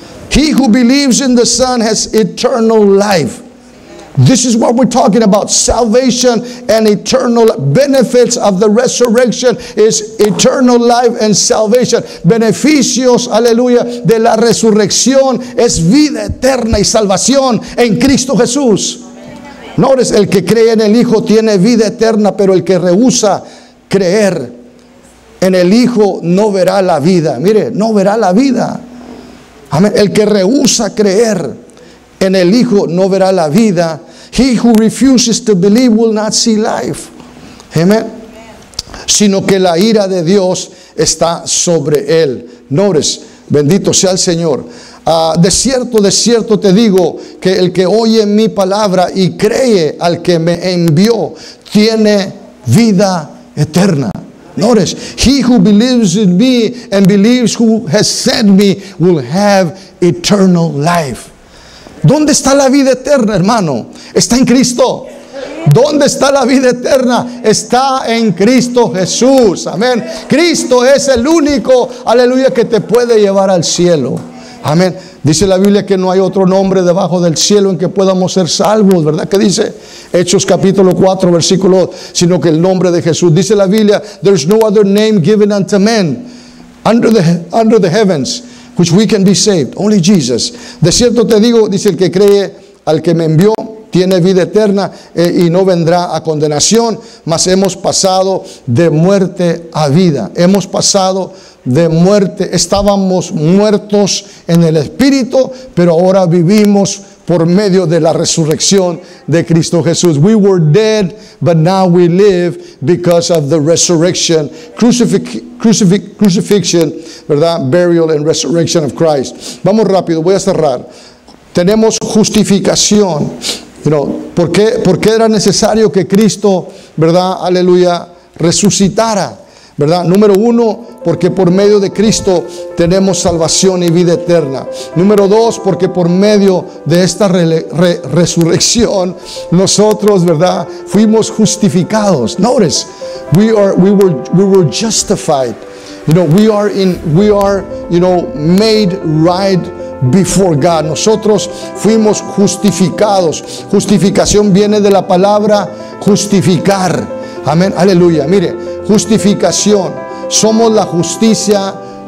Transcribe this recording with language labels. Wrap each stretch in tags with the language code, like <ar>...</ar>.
<en>He who believes in the Son has eternal life. This is what we're talking about, salvation and eternal benefits of the resurrection is eternal life and salvation.</en> <es>Beneficios, aleluya, de la resurrección es vida eterna y salvación en Cristo Jesús.</es> <en>Notice,</en> <es>el que cree en el Hijo tiene vida eterna, pero el que rehúsa creer en el Hijo no verá la vida. Mire, no verá la vida. Amén. El que rehúsa creer en el Hijo no verá la vida.</es> <en>He who refuses to believe will not see life. Amen.</en> <es>Sino que la ira de Dios está sobre él.</es> <en>Notice,</en> <es>bendito sea el Señor. De cierto te digo que el que oye mi palabra y cree al que me envió tiene vida eterna.</es> <en>Notice, he who believes in me and believes who has sent me will have eternal life.</en> <es>¿Dónde está la vida eterna, hermano? Está en Cristo. ¿Dónde está la vida eterna? Está en Cristo Jesús. Amén. Cristo es el único, aleluya, que te puede llevar al cielo. Amén. Dice la Biblia que no hay otro nombre debajo del cielo en que podamos ser salvos, ¿verdad? ¿Qué dice? Hechos capítulo 4, versículo 2, sino que el nombre de Jesús. Dice la Biblia,</es> <en>there's no other name given unto men under the heavens which we can be saved, only Jesus.</en> <es>De cierto te digo, dice el que cree al que me envió, tiene vida eterna y no vendrá a condenación, mas hemos pasado de muerte a vida. Hemos pasado de muerte, estábamos muertos en el espíritu, pero ahora vivimos por medio de la resurrección de Cristo Jesús.</es> <en>We were dead, but now we live because of the resurrection, crucifixion,</en> <es>¿verdad?</es> <en>Burial and resurrection of Christ.</en> <es>Vamos rápido, voy a cerrar. Tenemos justificación.</es> <en>You know,</en> <es>¿por qué era necesario que Cristo, ¿verdad? Aleluya, resucitara, ¿verdad? Número uno, porque por medio de Cristo tenemos salvación y vida eterna. Número dos, porque por medio de esta resurrección nosotros, ¿verdad?, fuimos justificados.</es> <en>Notice, we were justified. You know, we are made right before God.</en> <es>Nosotros fuimos justificados. Justificación viene de la palabra justificar. Amén. Aleluya. Mire, justificación. Somos la justicia</es>